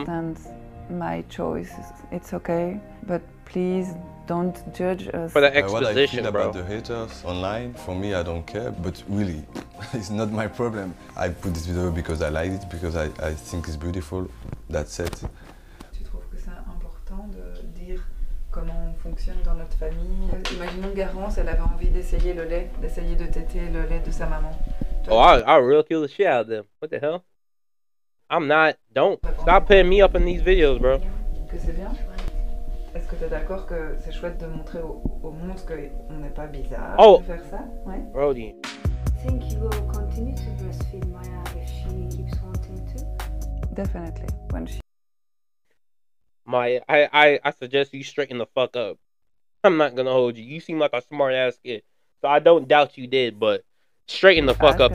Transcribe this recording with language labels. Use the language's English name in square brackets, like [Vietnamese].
[English] Understand my choices. It's okay, but please don't judge us for the exposition, what I feel About the haters online, for me, I don't care. But really, it's not my problem. I put this video because I like it, because I think it's beautiful. That's it. [French] Tu trouves que c'est important de dire comment on fonctionne dans notre famille? Imaginons Garance, elle avait envie d'essayer le lait, d'essayer de téter le lait de sa maman. [English] Oh, I'll real kill the shit out of them. What the hell? I'm not. Don't. Stop putting me up in these videos, bro. [French] Que c'est bien? Est-ce que t'es d'accord que c'est chouette de montrer au monde qu'on n'est pas bizarre de faire ça? Ouais. [English] Brody. I think you will continue to breastfeed Maya if she keeps wanting to. Definitely. When she. Maya, I suggest you straighten the fuck up. I'm not gonna hold you. You seem like a smart ass kid. So I don't doubt you did, but straighten the fuck up.